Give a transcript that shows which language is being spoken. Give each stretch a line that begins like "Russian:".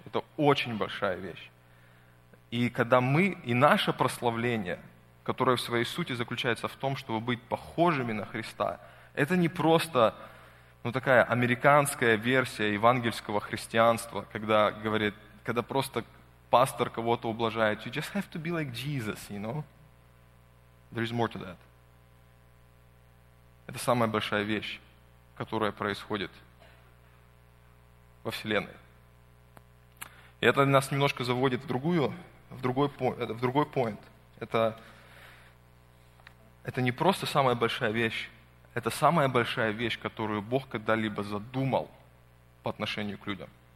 Russian: Это очень большая вещь. И когда мы и наше прославление – которая в своей сути заключается в том, чтобы быть похожими на Христа. Это не просто такая американская версия евангельского христианства, когда просто пастор кого-то ублажает.
English: You just have to be like Jesus, you know? There is more to that.
Russian: Это самая большая вещь, которая происходит во Вселенной. И это нас немножко заводит в другой point. Это не просто самая большая вещь, это самая большая вещь, которую Бог когда-либо задумал по отношению к людям.